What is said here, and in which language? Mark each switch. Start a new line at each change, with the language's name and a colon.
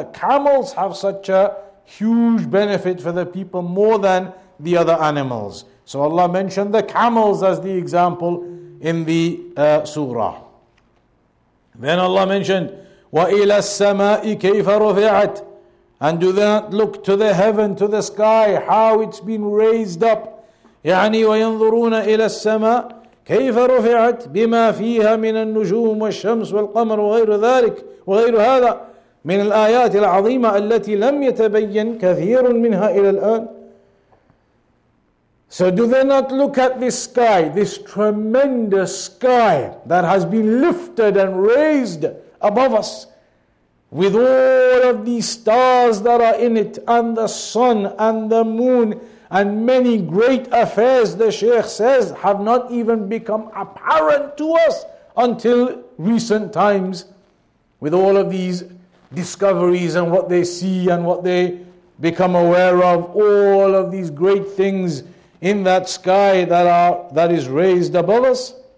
English: The camels have such a huge benefit for the people more than the other animals. So Allah mentioned the camels as the example in the surah. Then Allah mentioned,
Arabic: وَإِلَى السَّمَاءِ كَيْفَ رُفِعَتْ.
English: And do not look to the heaven, to the sky, how it's been raised up.
Arabic: يعني وَيَنظُرُونَ إِلَى السَّمَاءِ كَيْفَ رُفِعَتْ بِمَا فِيهَا مِنَ النُّجُومِ وَالشَّمْسِ وَالْقَمَرِ وَغَيْرُ ذَلِكَ وَغَيْرُ هَذَا من الآيات العظيمة التي لم يتبين كثير منها إلى الآن.
English: So do they not look at this sky, this tremendous sky that has been lifted and raised above us with all of these stars that are in it and the sun and the moon and many great affairs, the Shaykh says, have not even become apparent to us until recent times with all of these discoveries and what they see and what they become aware of, all of these great things in that sky that is raised above us.